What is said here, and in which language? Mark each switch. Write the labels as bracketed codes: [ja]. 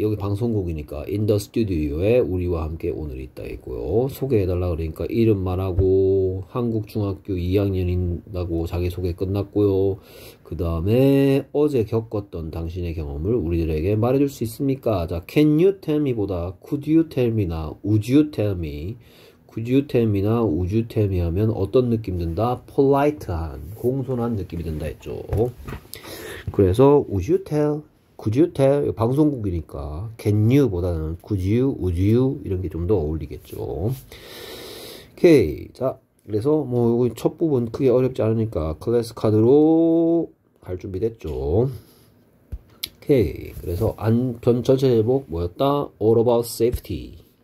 [ko] 여기 방송국이니까 인더 스튜디오에 우리와 함께 오늘 있다 했고요. 소개해달라 그러니까 이름 말하고 한국 중학교 2학년인다고 자기소개 끝났고요. 그 다음에 어제 겪었던 당신의 경험을 우리들에게 말해줄 수 있습니까? [en] 자, Can you tell me 보다 Could you tell me나 Would you tell me? Could you tell me나 Would you tell me 하면 어떤 느낌 든다? [ko] Polite한, 공손한 느낌이 든다 했죠. [en] 그래서 Would you tell? Could you tell? 방송국이니까 Can you 보다는 Could you? Would you? [ko] 이런 게좀더 어울리겠죠. 오케이. 자, 그래서 뭐 여기 첫 부분 크게 어렵지 않으니까 클래스 카드로 갈 준비됐죠. 오케이. 그래서 전체 제목 뭐였다? [en] All about safety.